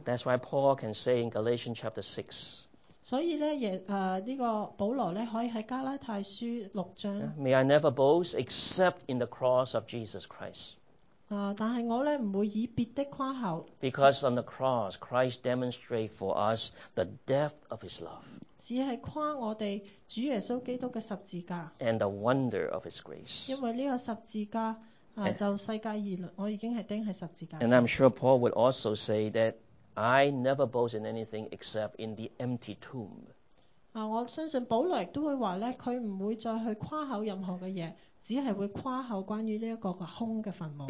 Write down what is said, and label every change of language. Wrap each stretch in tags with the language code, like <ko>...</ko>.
<en>That's why Paul can say in Galatians chapter 6。</en> <yue>所以咧，这个保罗咧可以喺加拉太书六章。</yue> <en>May I never boast except in the cross of Jesus Christ？</en> <yue>但系我咧唔会以别的夸口。</yue> <en>Because on the cross, Christ demonstrated for us the depth of His love。</en> <yue>只系夸我哋主耶稣基督嘅十字架。</yue> <en>And the wonder of His grace。</en> <yue>因为呢个十字架就世界而论，我已经系钉喺十字架。</yue> <en>And I'm sure Paul would also say that。 I never boast in anything except in the empty tomb.</en> <yue>我相信保罗亦都会话咧，佢唔会再去夸口任何嘅嘢，只系会夸口关于呢一个个空嘅坟墓。</yue>